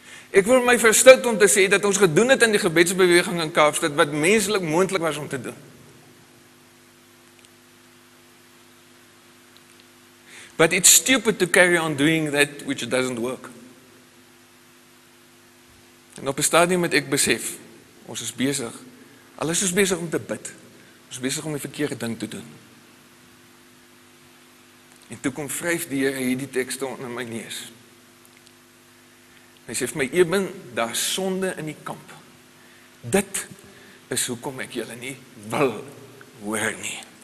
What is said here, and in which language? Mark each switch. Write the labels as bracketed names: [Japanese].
[Afrikaans] Ek wil my verstout om te sê dat ons gedoen het in die gebedsbeweging in Kaapstad wat menslik moontlik was om te doen. [English] But it's stupid to carry on doing that which doesn't work. [Afrikaans] En op 'n stadium het ek besef, ons is besig Hulle is soos besig om te bid. Ons is besig om die verkeerde ding te doen. En toe kom vryf die Here hierdie tekste onder my neus. Hy sê vir my, Eben, daar is sonde in die kamp. Dit is hoekom ek julle nie wil hoor nie.